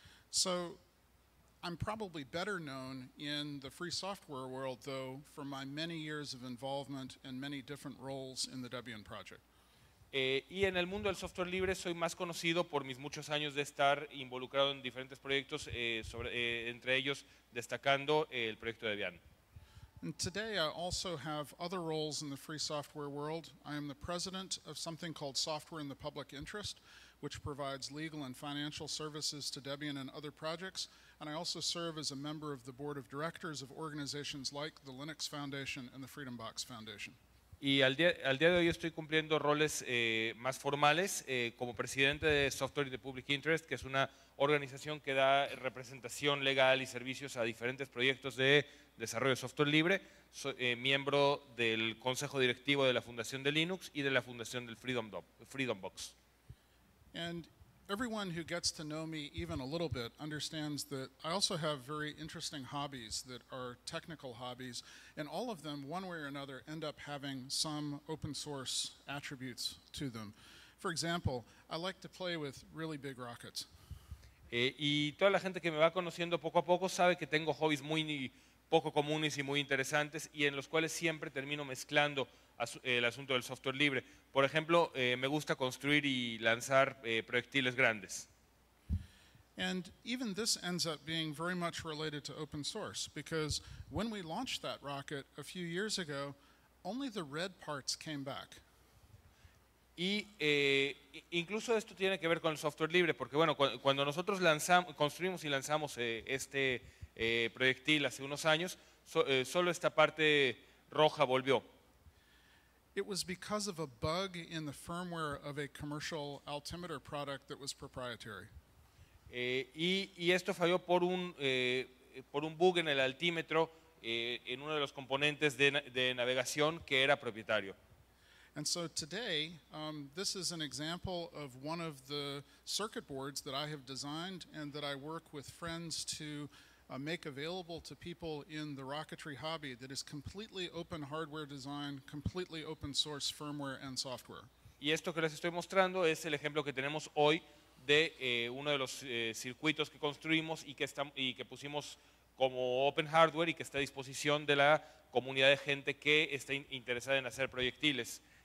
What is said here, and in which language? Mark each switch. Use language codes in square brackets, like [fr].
[en] So, I'm probably better known in the free software world, though, for my many years of involvement and many different roles in the Debian project. [es] Y en el mundo del software libre soy más conocido por mis muchos años de estar involucrado en diferentes proyectos, entre ellos destacando el proyecto de Debian. [en] And today I also have other roles in the free software world. I am the president of something called Software in the Public Interest, which provides legal and financial services to Debian and other projects. And I also serve as a member of the board of directors of organizations like the Linux Foundation and the Freedom Box Foundation. [es] Y al día de hoy estoy cumpliendo roles más formales como presidente de Software in the Public Interest, que es una organización que da representación legal y servicios a diferentes proyectos de desarrollo de software libre. Soy miembro del consejo directivo de la Fundación de Linux y de la Fundación del Freedom Box. [en] And everyone who gets to know me even a little bit understands that I also have very interesting hobbies that are technical hobbies, and all of them, one way or another, end up having some open source attributes to them. For example, I like to play with really big rockets. [es] Y toda la gente que me va conociendo poco a poco sabe que tengo hobbies muy poco comunes y muy interesantes, y en los cuales siempre termino mezclando el asunto del software libre. Por ejemplo, me gusta construir y lanzar proyectiles grandes. [en] And even this ends up being very much related to open source, because when we launched that rocket a few years ago, only the red parts came back. [es] Y incluso esto tiene que ver con el software libre, porque bueno, cuando nosotros construimos y lanzamos este proyectil hace unos años, solo esta parte roja volvió. [en] It was because of a bug in the firmware of a commercial altimeter product that was proprietary. [es] Y esto falló por un bug en el altímetro en uno de los componentes de navegación que era propietario. [en] And so today, this is an example of one of the circuit boards that I have designed and that I work with friends to make available to people in the rocketry hobby that is completely open hardware design, completely open source firmware and software. [es] Y esto que les estoy mostrando es el ejemplo que tenemos hoy de uno de los circuitos que construimos y que pusimos como open hardware y que está a disposición de la comunidad de gente que está interesada en hacer proyectiles.